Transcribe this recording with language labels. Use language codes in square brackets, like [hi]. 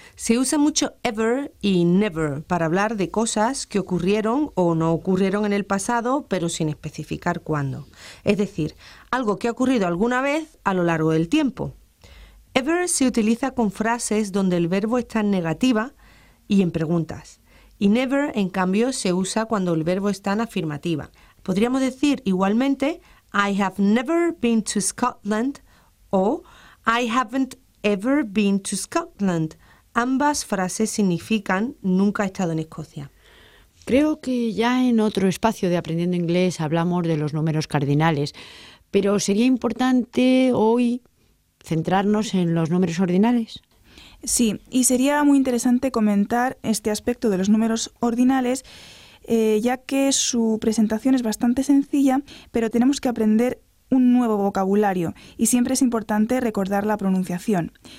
[es] Se usa mucho ever y never para hablar de cosas que ocurrieron o no ocurrieron en el pasado, pero sin especificar cuándo. Es decir, algo que ha ocurrido alguna vez a lo largo del tiempo. Ever se utiliza con frases donde el verbo está en negativa y en preguntas. Y never, en cambio, se usa cuando el verbo está en afirmativa. Podríamos decir igualmente, [en] I have never been to Scotland o I haven't ever been to Scotland. [es] Ambas frases significan nunca he estado en Escocia. Creo que ya en otro espacio de Aprendiendo Inglés hablamos de los números cardinales, pero sería importante hoy centrarnos en los números ordinales. Sí, y sería muy interesante comentar este aspecto de los números ordinales, ya que su presentación es bastante sencilla, pero tenemos que aprender un nuevo vocabulario y siempre es importante recordar la pronunciación.